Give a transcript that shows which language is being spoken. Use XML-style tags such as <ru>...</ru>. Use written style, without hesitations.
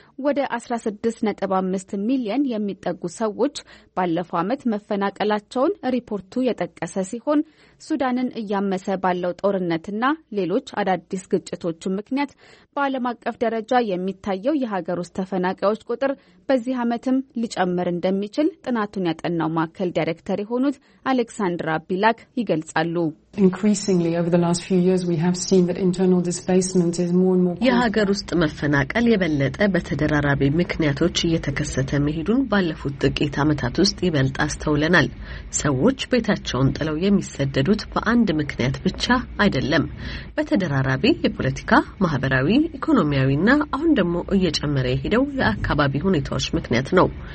<am>ወደ 16.5 ሚሊዮን የሚጠጉ ሰዎች ባለፈው ዓመት መፈናቀላቸውን ሪፖርቱ የጠቀሰ ሲሆን ሱዳንን እያመሰ ባለው ጦርነትና ሌሎች አዳዲስ ግጭቶች ምክንያት በዓለም አቀፍ ደረጃ የሚታየው የሀገር ውስጥ ተፈናቃዮች ቁጥር በዚህ ዓመትም ሊጨምር እንደሚችል ጥናቱን ያጠናው ማዕከል ዳይሬክተር የሆኑት አሌክሳንድራ ቢላክ ይገልጻሉ።</am> <en>Increasingly over the last few years we have seen that internal displacement is more and more</en> <am>የሀገር ውስጥ መፈናቀል የበለጠ በተደራራቢ ምክንያቶች እየተከሰተ መሄዱን ባለፉት ጥቂት አመታት ውስጥ ይበልጥ አስተውለናል። ሰዎች ቤታቸውን ጥለው የሚሰደዱት በአንድ ምክንያት ብቻ አይደለም። በተደራራቢ የፖለቲካ፣ ማህበራዊ፣ ኢኮኖሚያዊና አሁን ደግሞ እየጨመረ የሄደው የአካባቢ ሁኔታዎች ምክንያት ነው።</am>